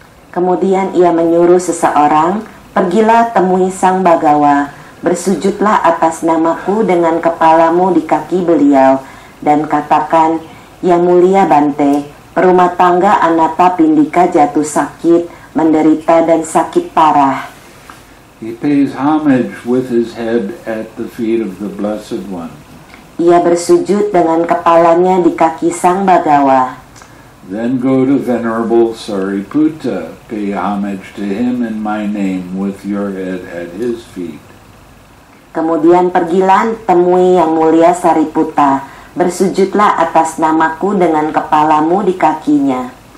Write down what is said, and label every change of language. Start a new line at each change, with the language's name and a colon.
Indonesian: Kemudian ia menyuruh seseorang, "Pergilah temui Sang Bhagawa, bersujudlah atas namaku dengan kepalamu di kaki beliau dan katakan, Yang Mulia Bante, perumah tangga Anatta Pindika jatuh sakit, menderita dan sakit parah."
English: He pays homage with his head at the feet of the Blessed One.
Indonesian: Ia bersujud dengan kepalanya di kaki Sang Bhagawa.
English: Then go to Venerable Sariputta, pay homage to him in my name with your head at his feet.
Indonesian: Kemudian pergilah temui Yang Mulia Sariputta, bersujudlah atas namaku dengan kepalamu di kakinya.